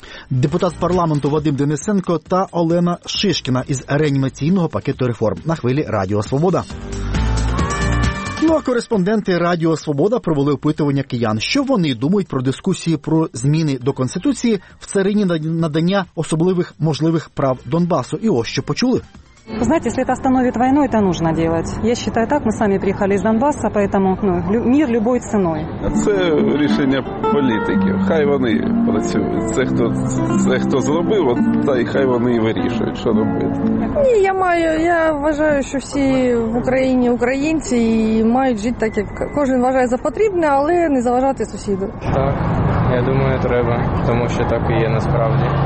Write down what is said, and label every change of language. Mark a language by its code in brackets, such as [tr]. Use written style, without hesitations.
[uk] Депутат парламенту Вадим Денисенко та Олена Шишкіна із реанімаційного пакету реформ на хвилі Радіо Свобода. Ну, а кореспонденти Радіо Свобода провели опитування киян, що вони думають про дискусії про зміни до Конституції в царині надання особливих можливих прав Донбасу. І ось що почули. [ru] Знаете, если это остановит войну, это нужно делать. Я считаю так, мы сами приехали из Донбасса, поэтому ну, мир любой ценой. Это решение политиков. Хай они работают. [uk] Це хто зробив, та й хай вони і вирішують, що робити. Ні, я вважаю, що всі в Україні українці і мають жити так, як кожен вважає за потрібне, але не заважати сусіду. Так, я думаю, треба, тому що так і є насправді.